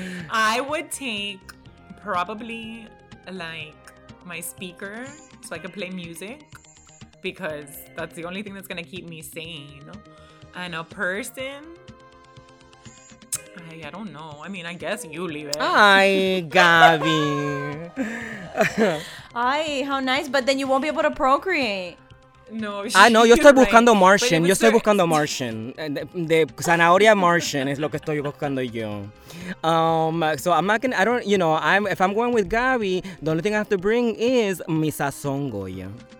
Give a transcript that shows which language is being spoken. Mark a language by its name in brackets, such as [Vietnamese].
[English] I would take probably like my speaker so I can play music, because that's the only thing that's gonna keep me sane. And a person, I don't know. I mean, I guess you leave it. Ay, Gabby. Ay, how nice. But then you won't be able to procreate. No, I know. [Spanish] Yo estoy buscando Martian. Yo estoy buscando Martian. De zanahoria Martian es lo que estoy buscando yo. [English] So I'm not gonna. I don't. You know. If I'm going with Gabby, the only thing I have to bring is [Spanish] mi sazón Goya.